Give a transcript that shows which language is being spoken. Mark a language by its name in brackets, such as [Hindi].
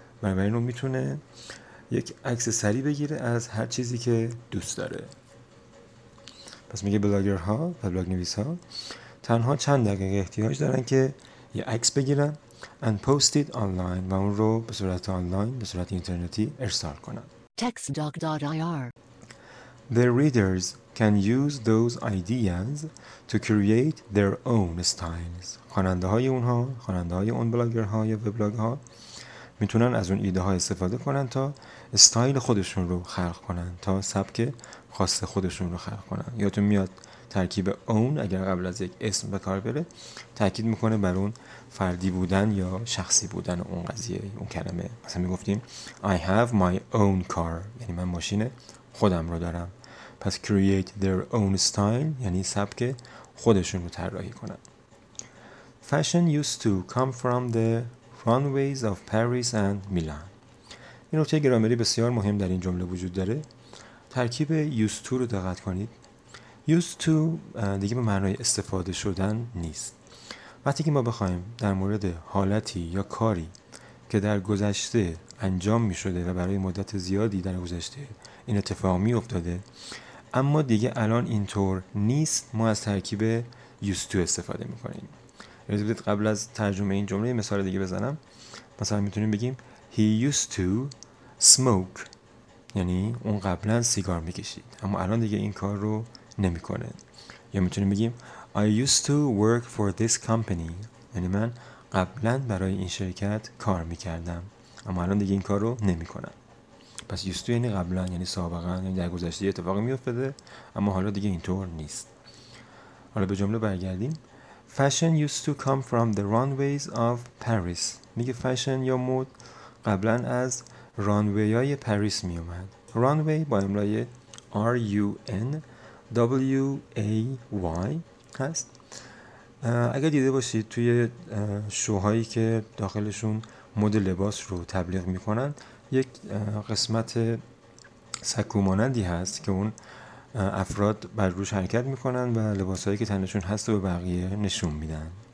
[Persian] بنابراین اون میتونه یک عکس سریع بگیره از هر چیزی که دوست داره. پس میگه بلاگرها و بلاگ نویس ها تنها چند دقیقه احتیاج دارن که یه عکس بگیرن [English] and post it online [Persian] و اون رو به صورت آنلاین، به صورت اینترنتی ارسال کنن. [English] textdoc.ir The readers can use those ideas to create their own styles. [Persian] خواننده های اونها، خواننده های اون بلاگرها یا وبلاگ ها میتونن از اون ایده ها استفاده کنن تا استایل خودشون رو خلق کنن، تا سبک خاص خودشون رو خلق کنن. یادتون میاد ترکیب اون اگر قبل از یک اسم به کار بره تاکید میکنه بر اون فردی بودن یا شخصی بودن اون قضیه، اون کلمه. مثلا میگفتیم [English] I have my own car، [Persian] یعنی من ماشین خودم رو دارم. پس [English] create their own style [Persian] یعنی سبک خودشون رو طراحی کنن. [English] Fashion used to come from the runways of Paris and Milan. [Persian] این نکته گرامری بسیار مهم در این جمله وجود داره. ترکیب used to رو دقت کنید. Used to دیگه به معنای استفاده شدن نیست. وقتی که ما بخوایم در مورد حالتی یا کاری که در گذشته انجام می شده و برای مدت زیادی در گذشته این اتفاق می افتاده اما دیگه الان اینطور نیست، ما از ترکیب used to استفاده می کنیم. اجازه بدید قبل از ترجمه این جمله مثال دیگه بزنم. مثلا میتونیم بگیم [English] He used to smoke، [Persian] یعنی اون قبلا سیگار میکشید اما الان دیگه این کار رو نمیکنه. یا میتونیم بگیم [English] I used to work for this company، [Persian] یعنی من قبلا برای این شرکت کار میکردم اما الان دیگه این کار رو نمیکنم. پس used to یعنی قبلا، یعنی سابقا، یعنی در گذشته اتفاقی میافتاده اما حالا دیگه اینطور نیست. حالا به جمله برگردیم. [English] Fashion used to come from the runways of Paris. [Persian] میگه فشن یا مود قبلا از رانوی های پاریس می اومد. رانوی با املای RUNWAY هست. اگر دیده باشید توی شوهایی که داخلشون مد لباس رو تبلیغ می کنن یک قسمت سکومانندی هست که اون افراد بر روش حرکت میکنن و لباسایی که تنشون هست به بقیه نشون میدن.